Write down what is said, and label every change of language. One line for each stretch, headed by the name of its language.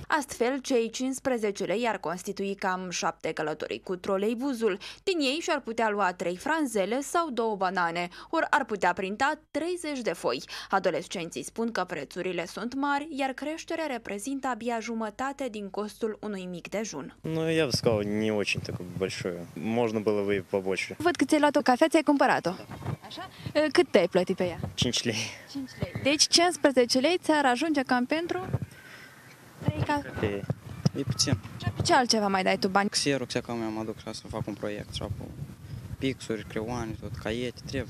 Romanian: Astfel, cei 15 lei ar constitui cam 7 călătorii cu troleibuzul. Din ei și-ar putea lua 3 franzele sau 2 banane, ori ar putea printa 30 de foi. Adolescenții spun că prețurile sunt mari, iar creșterea reprezintă abia jumătate din costul unui mic dejun.
Russian: Nu, я бы сказал, не очень такое большое. Можно было бы побольше.
Romanian: Văd că ți-ai luat o cafea, ți-ai cumpărat-o. Așa? Cât te-ai plătit pe ea? 5 lei. 5 lei. Deci 15 lei ți-ar ajunge cam pentru 3 cafe. E puțin. Ce altceva mai dai tu bani? Xerox, acum mi-am aduc la să fac un proiect, pixuri, creioane, tot caiete, trebuie.